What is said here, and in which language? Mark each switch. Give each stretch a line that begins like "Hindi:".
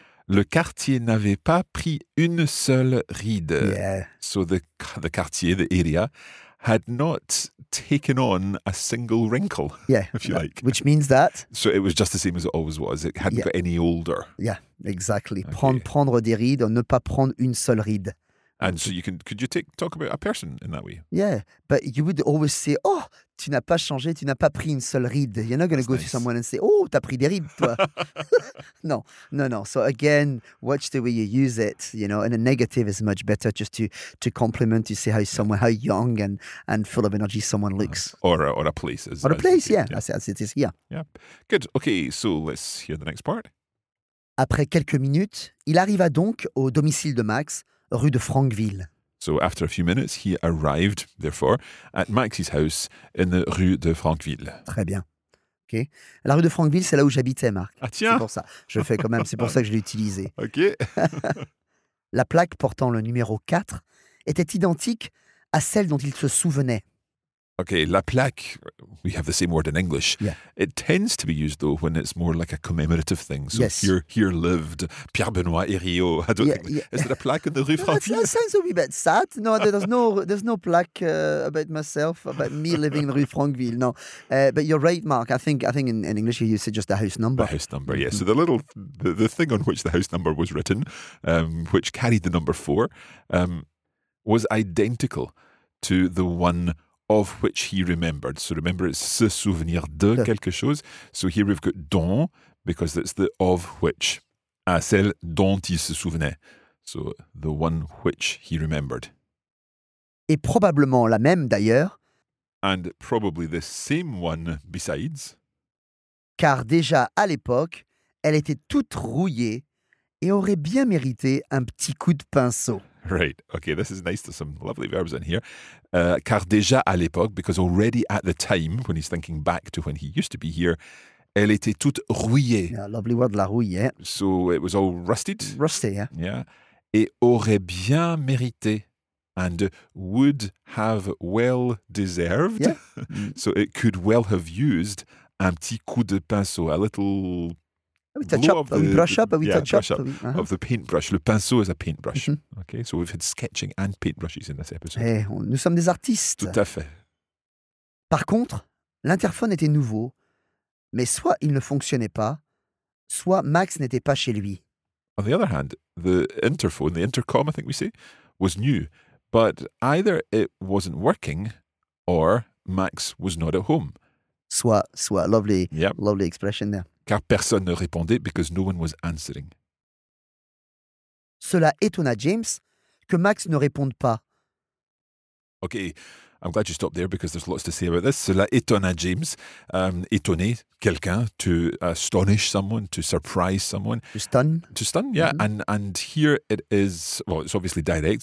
French: Le quartier n'avait pas pris une seule ride.
English: Yeah. So the quartier, the area, had not taken on a single wrinkle, yeah, if you like. Which means that? So it was just the same as it always was. It hadn't got any older. Yeah, exactly. Okay.
French: Prendre des rides, ne pas prendre une seule ride.
English: And so you can, could you talk about a person in that way? Yeah, but you would always say, oh,
French: tu n'as pas changé, tu n'as pas pris une seule ride.
English: You're not going to go to someone and say, oh,
French: t'as pris des rides, toi.
English: No. So again, watch the way you use it. You know, and a negative is much better just to compliment, to say how young and full of energy someone looks. Or a place. As it is here. Yeah, good. Okay, so let's hear the next part.
French: Après quelques minutes, il arriva donc au domicile de Max, rue de Franqueville.
English: So after a few minutes, he arrived, therefore, at Max's house in the rue de Franqueville.
French: Très bien. OK. La rue de Franqueville, c'est là où j'habitais, Marc. Ah tiens! C'est pour ça. Je fais quand même, c'est pour ça que je l'ai utilisé. OK. La plaque portant le numéro 4 était identique à celle dont il se souvenait.
English: OK, la plaque, we have the same word in English. Yeah. It tends to be used, though, when it's more like a commemorative thing. So yes. Here lived Pierre-Benoît Hériot. I don't think. Yeah. Is there a plaque in the rue Franqueville? That sounds a wee bit sad. No, there's no plaque about myself, about me living in the rue Franqueville, no. But you're right, Mark. I think in English you say just a house number. A house number, yeah. Mm-hmm. So the thing on which the house number was written, which carried the number 4, was identical to the one of which he remembered. So remember, it's
French: se souvenir de quelque chose.
English: So here we've got dont, because it's the of which.
French: À celle dont il se souvenait.
English: So the one which he remembered.
French: Et probablement la même d'ailleurs.
English: And probably the same one besides.
French: Car déjà à l'époque, elle était toute rouillée et aurait bien mérité un petit coup de pinceau.
English: Right, okay, this is nice. There's some lovely verbs in here.
French: Car déjà à l'époque,
English: because already at the time, when he's thinking back to when he used to be here,
French: elle était toute rouillée.
English: Yeah, lovely word, la rouille, yeah. So it was all rusted. Rusty, yeah. Yeah.
French: Et aurait bien mérité,
English: and would have well deserved. Yeah. So it could well have used
French: un petit coup de pinceau,
English: a little... Touch up, brush up. Of the paintbrush. Le pinceau is a paintbrush. Mm-hmm. Okay, so we've had sketching and paintbrushes in this episode.
French: Hey, nous sommes des artistes. Tout à fait. Par contre, l'interphone était nouveau, mais soit il ne fonctionnait pas, soit Max n'était pas chez lui.
English: On the other hand, the interphone, the intercom, I think we say, was new, but either it wasn't working or Max was not at home. Soit, lovely, yep. Lovely expression there.
French: Car personne ne répondait,
English: because no one was answering.
French: Cela étonna James que Max ne réponde pas.
English: Okay, I'm glad you stopped there because there's lots to say about this.
French: Cela étonna James, étonner quelqu'un,
English: to astonish someone, to surprise someone. To stun, yeah. Mm-hmm. And here it is, well, it's obviously direct.